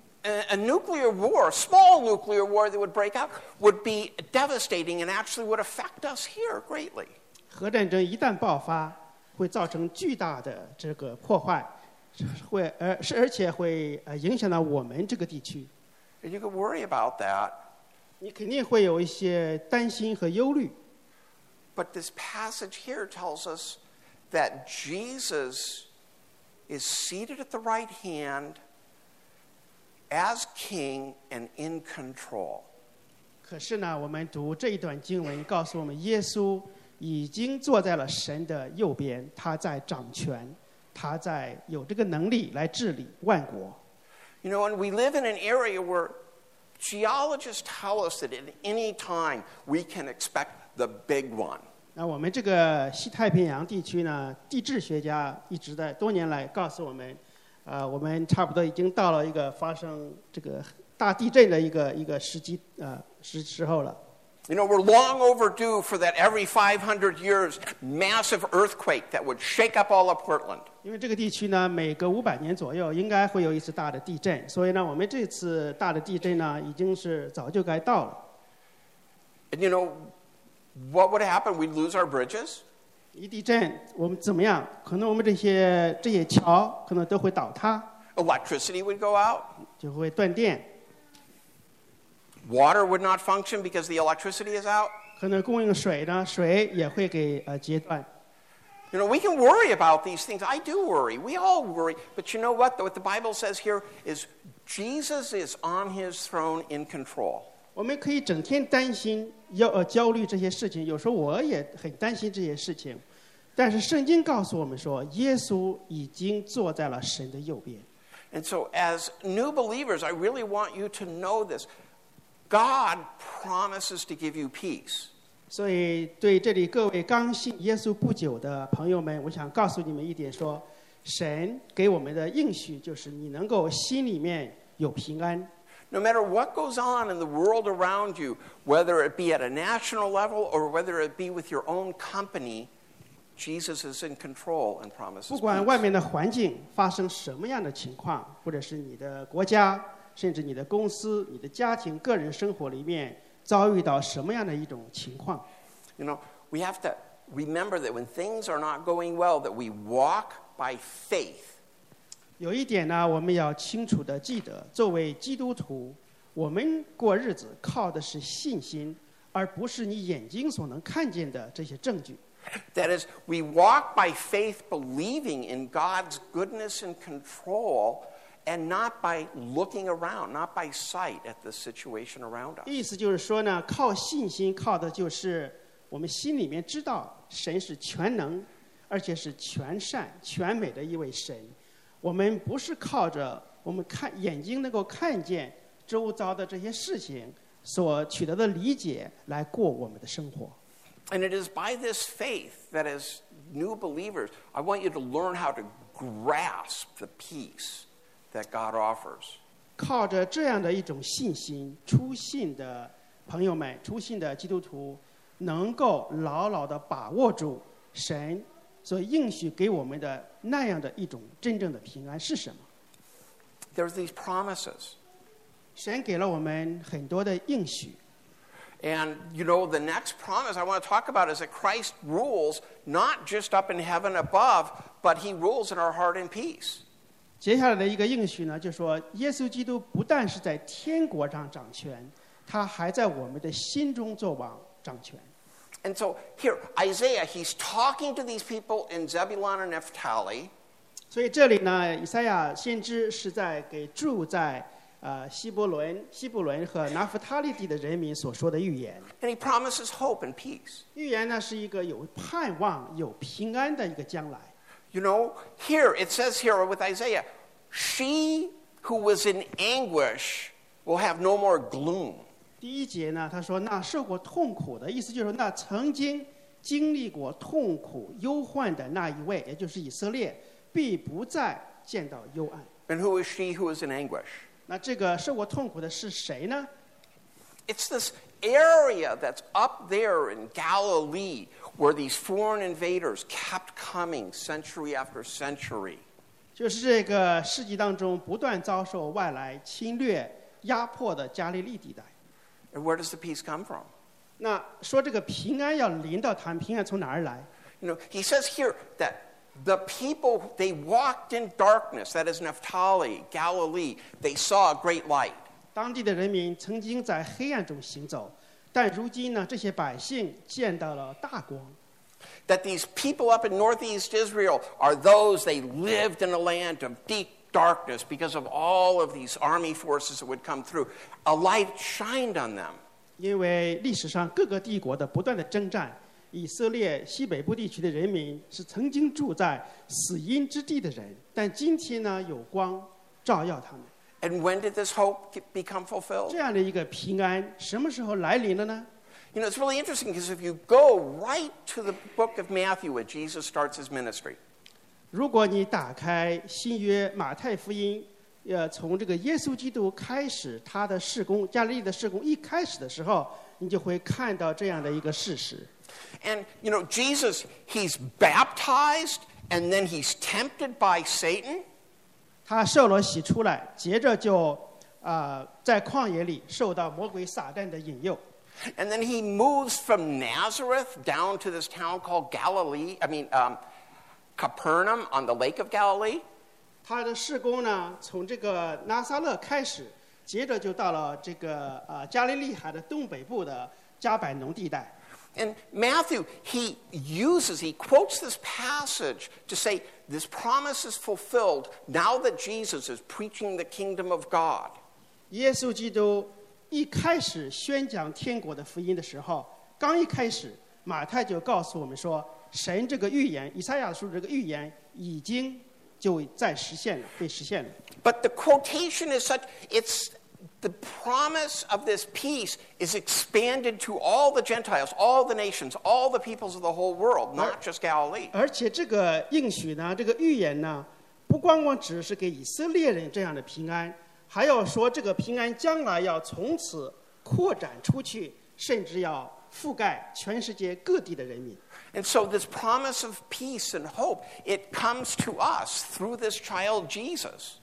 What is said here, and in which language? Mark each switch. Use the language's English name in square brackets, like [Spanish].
[English] A nuclear war, small nuclear war that would break out, would be devastating and actually would affect us here greatly. [Chinese] 核战争一旦爆发，会造成巨大的这个破坏。而且会影响到我们这个地区。 [English] And you could worry about that. [Chinese] 你肯定会有一些担心和忧虑。 [English] But this passage here tells us that Jesus is seated at the right hand as king and in control. [Chinese] 可是呢，我们读这一段经文，告诉我们耶稣已经坐在了神的右边，他在掌权。他在有这个能力来治理万国。 [English] You know, and we live in an area where geologists tell us that at any time we can expect the big one. [Chinese] 那我们这个西太平洋地区呢，地质学家一直在多年来告诉我们，我们差不多已经到了一个发生这个大地震的一个时候了。 [English] You know, we're long overdue for that every 500 years massive earthquake that would shake up all of Portland. [Chinese] 因为这个地区呢，每隔500年左右应该会有一次大的地震，所以呢，我们这次大的地震呢，已经是早就该到了。 [English] And you know, what would happen? We'd lose our bridges. [Chinese] 一地震，我们怎么样？可能我们这些桥可能都会倒塌。 [English] Electricity would go out. [Chinese] 就会断电。 [English] Water would not function because the electricity is out. [Chinese] 可能供应水呢，水也会给截断。 [English] You know, we can worry about these things. I do worry. We all worry. But you know what? What the Bible says here is Jesus is on his throne in control. [Chinese] 我们可以整天担心焦虑这些事情，有时候我也很担心这些事情，但是圣经告诉我们说，耶稣已经坐在了神的右边。 [English] And so as new believers, I really want you to know this. God promises to give you peace. [Chinese] 所以对这里各位刚信耶稣不久的朋友们，我想告诉你们一点，说神给我们的应许就是你能够心里面有平安。 [English] No matter what goes on in the world around you, whether it be at a national level or whether it be with your own company, Jesus is in control and promises peace. [Chinese] 不管外面的环境发生什么样的情况，或者是你的国家，甚至你的公司、你的家庭、个人生活里面遭遇到什么样的一种情况。 [English] You know, we have to remember that when things are not going well, that we walk by faith. [Chinese] 有一点呢，我们要清楚地记得，作为基督徒，我们过日子靠的是信心，而不是你眼睛所能看见的这些证据。 [English] That is, we walk by faith, believing in God's goodness and control, and not by looking around, not by sight at the situation around us. [Chinese] 意思就是说呢，靠信心，靠的就是我们心里面知道神是全能，而且是全善、全美的一位神。我们不是靠着我们看眼睛能够看见周遭的这些事情所取得的理解来过我们的生活。 [English] And it is by this faith that as new believers, I want you to learn how to grasp the peace that God offers. [Chinese] 靠着这样的一种信心，初信的朋友们，初信的基督徒，能够牢牢地把握住神所应许给我们的那样的一种真正的平安是什么？ [English] There are these promises. [Chinese] 神给了我们很多的应许。 [English] And you know, the next promise I want to talk about is that Christ rules not just up in heaven above, but he rules in our heart in peace. [Chinese] 接下来的一个应许呢，就是说耶稣基督不但是在天国上掌权，他还在我们的心中作王掌权。 [English] And so here, Isaiah, he's talking to these people in Zebulun and Naphtali. [Chinese] 所以这里呢，以赛亚先知是在给住在西伯伦和拿弗他利地的人民所说的预言。 [English] And he promises hope and peace. [Chinese] 预言呢是一个有盼望、有平安的一个将来。 [English] You know, here it says here with Isaiah, she who was in anguish will have no more gloom. [Chinese] 第一节呢，他说那受过痛苦的，意思就是那曾经经历过痛苦忧患的那一位，也就是以色列，必不再见到忧暗。 [English] And who is she who is in anguish? [Chinese] 那这个受过痛苦的是谁呢？ [English] It's this area that's up there in Galilee where these foreign invaders kept coming century after century. [Chinese] 就是这个世纪当中不断遭受外来侵略压迫的加利利地带。 [English] And where does the peace come from? [Chinese] 那说这个平安要临到他们，平安从哪儿来？ [English] You know, he says here that the people, they walked in darkness, that is Naphtali, Galilee, they saw a great light. [Chinese] 当地的人民曾经在黑暗中行走，但如今呢，这些百姓见到了大光。 [English] That these people up in northeast Israel are those, they lived in a land of deep,darkness because of all of these army forces that would come through. A light shined on them. [Chinese] 因为历史上各个帝国的不断的征战，以色列西北部地区的人民是曾经住在死荫之地的人，但今天呢，有光照耀他们。 [English] And when did this hope become fulfilled? [Chinese] 这样的一个平安什么时候来临了呢？ [English] You know, it's really interesting because if you go right to the book of Matthew where Jesus starts his ministry, [Chinese] 如果你打开新约马太福音，从这个耶稣基督开始他的事工，加利利的事工一开始的时候，你就会看到这样的一个事实。 [English] And you know, Jesus, he's baptized, and then he's tempted by Satan. [Chinese] 他受了洗出来，接着就在旷野里受到魔鬼撒旦的引诱。 [English] And then he moves from Nazareth down to this town called Galilee, Capernaum on the Lake of Galilee. [Chinese] 他的事工呢，从这个拿撒勒开始，接着就到了这个加利利海的东北部的加百农地带。 [English] And Matthew, he quotes this passage to say this promise is fulfilled now that Jesus is preaching the kingdom of God. [Chinese] 耶稣基督一开始宣讲天国的福音的时候，刚一开始，马太就告诉我们说，神这个预言，以赛亚书这个预言已经就在实现了，被实现了。 [English] But the quotation is such, it's the promise of this peace is expanded to all the Gentiles, all the nations, all the peoples of the whole world, not just Galilee. [Chinese] 而且这个应许呢，这个预言呢，不光光只是给以色列人这样的平安，还要说这个平安将来要从此扩展出去，甚至要覆盖全世界各地的人民。 [English] And so this promise of peace and hope, it comes to us through this child Jesus.